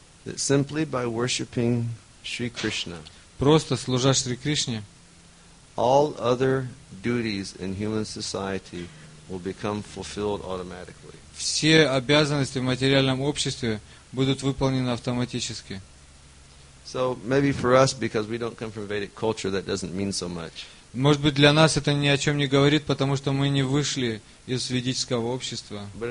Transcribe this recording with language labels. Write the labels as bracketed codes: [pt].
[en] that simply by worshiping Shri Krishna, [ru] просто служа Шри Кришне, [en] all other duties in human society will become fulfilled automatically. [ru] Все обязанности в материальном обществе будут выполнены автоматически. [en] So maybe for us, because we don't come from Vedic culture, that doesn't mean so much. [ru] Может быть, для нас это ни о чем не говорит, потому что мы не вышли из ведического общества.